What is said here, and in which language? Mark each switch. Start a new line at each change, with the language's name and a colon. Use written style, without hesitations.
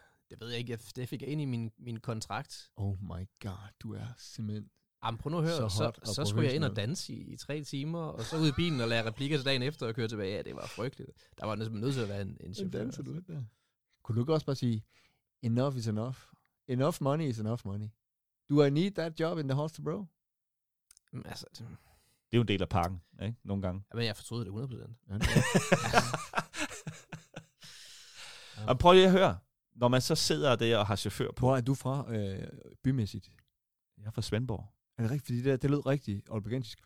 Danish: Det ved jeg ikke. Det fik jeg ind i min kontrakt.
English: Oh my god,
Danish: du er simpelthen... Jamen, prøv nu at høre, så skulle jeg ind og danse i 3 timer, og så ud i bilen og lære replikker til dagen efter og køre tilbage. Ja, det var frygteligt. Der var næsten nødt til at være en chauffør. Hvad danser du ikke der? Kunne du ikke også bare sige,
English: enough is enough? Enough money is enough money. Do I need that job in the hostel, bro?
Danish: Altså, det er jo en del af pakken, ikke? Nogle gange. Jamen, jeg fortryder det 100%. Ja. Prøv lige at høre. Når man så sidder der og har chauffør på... Hvor er du fra bymæssigt? Jeg er fra Svendborg. Er det rigtigt? Fordi det lød rigtig olbergensisk.